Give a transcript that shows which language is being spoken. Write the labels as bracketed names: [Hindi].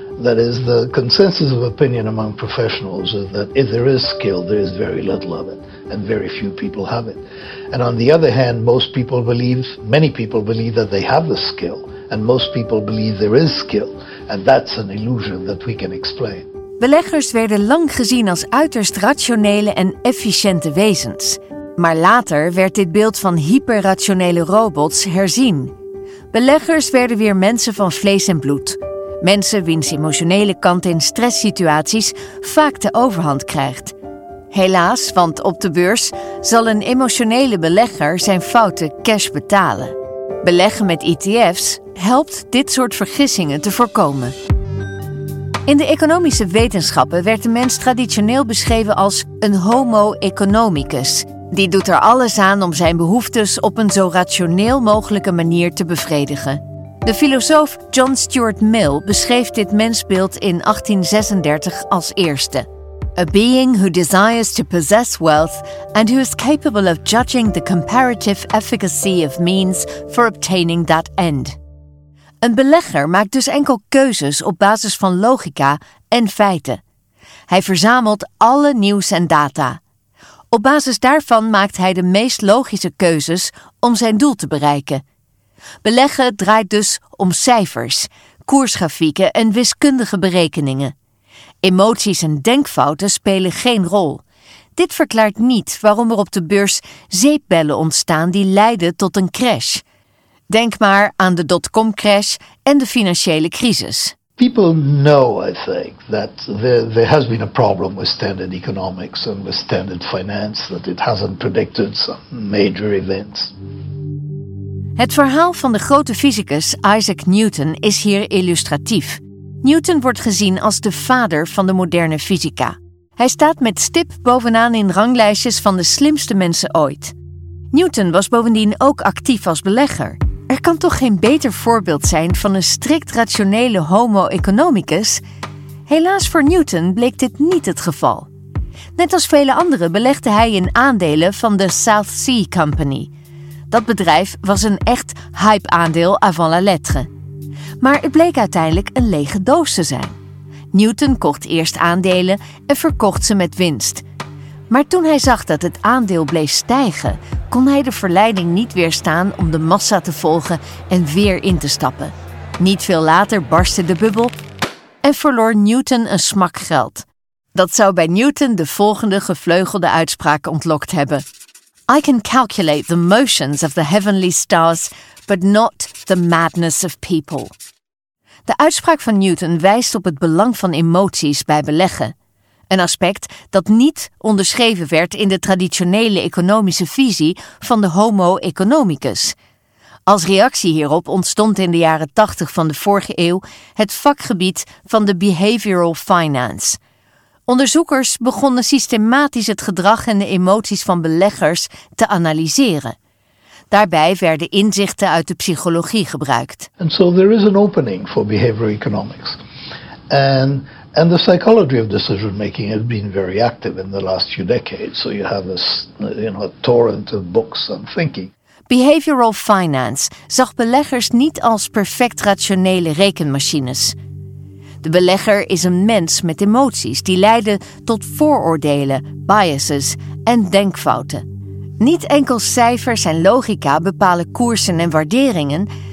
[English] That is, the consensus of opinion among professionals is that if there is skill, there is very little of it, and very few people have it. And on the other hand, many people believe that they have the skill, and most people believe there is skill, and that's an illusion that we can explain. [Dutch] Beleggers werden lang gezien als uiterst rationele en efficiënte wezens. Maar later werd dit beeld van hyperrationele robots herzien. Beleggers werden weer mensen van vlees en bloed. Mensen wiens emotionele kant in stresssituaties vaak de overhand krijgt. Helaas, want op de beurs zal een emotionele belegger zijn fouten cash betalen. Beleggen met ETF's helpt dit soort vergissingen te voorkomen. In de economische wetenschappen werd de mens traditioneel beschreven als een homo economicus. Die doet er alles aan om zijn behoeftes op een zo rationeel mogelijke manier te bevredigen. De filosoof John Stuart Mill beschreef dit mensbeeld in 1836 als eerste. [English] A being who desires to possess wealth and who is capable of judging the comparative efficacy of means for obtaining that end. [Dutch] Een belegger maakt dus enkel keuzes op basis van logica en feiten. Hij verzamelt alle nieuws en data. Op basis daarvan maakt hij de meest logische keuzes om zijn doel te bereiken. Beleggen draait dus om cijfers, koersgrafieken en wiskundige berekeningen. Emoties en denkfouten spelen geen rol. Dit verklaart niet waarom er op de beurs zeepbellen ontstaan die leiden tot een crash. Denk maar aan de dotcom-crash en de financiële crisis. [English] People know, I think, that there has been a problem with standard economics and with standard finance, that it hasn't predicted some major events. [Dutch] Het verhaal van de grote fysicus Isaac Newton is hier illustratief. Newton wordt gezien als de vader van de moderne fysica. Hij staat met stip bovenaan in ranglijstjes van de slimste mensen ooit. Newton was bovendien ook actief als belegger. Er kan toch geen beter voorbeeld zijn van een strikt rationele homo economicus? Helaas voor Newton bleek dit niet het geval. Net als vele anderen belegde hij in aandelen van de South Sea Company. Dat bedrijf was een echt hype-aandeel avant la lettre. Maar het bleek uiteindelijk een lege doos te zijn. Newton kocht eerst aandelen en verkocht ze met winst. Maar toen hij zag dat het aandeel bleef stijgen, kon hij de verleiding niet weerstaan om de massa te volgen en weer in te stappen. Niet veel later barstte de bubbel en verloor Newton een smak geld. Dat zou bij Newton de volgende gevleugelde uitspraak ontlokt hebben. [English] I can calculate the motions of the heavenly stars, but not the madness of people. [Dutch] De uitspraak van Newton wijst op het belang van emoties bij beleggen. Een aspect dat niet onderschreven werd in de traditionele economische visie van de homo economicus. Als reactie hierop ontstond in de jaren 80 van de vorige eeuw het vakgebied van de behavioral finance. Onderzoekers begonnen systematisch het gedrag en de emoties van beleggers te analyseren. Daarbij werden inzichten uit de psychologie gebruikt. [English] And so there is an opening for behavioral economics. And the psychology of decision making has been very active in the last few decades. So you have a torrent of books and thinking. [Dutch] Behavioral finance zag beleggers niet als perfect rationele rekenmachines. De belegger is een mens met emoties die leiden tot vooroordelen, biases en denkfouten. Niet enkel cijfers en logica bepalen koersen en waarderingen.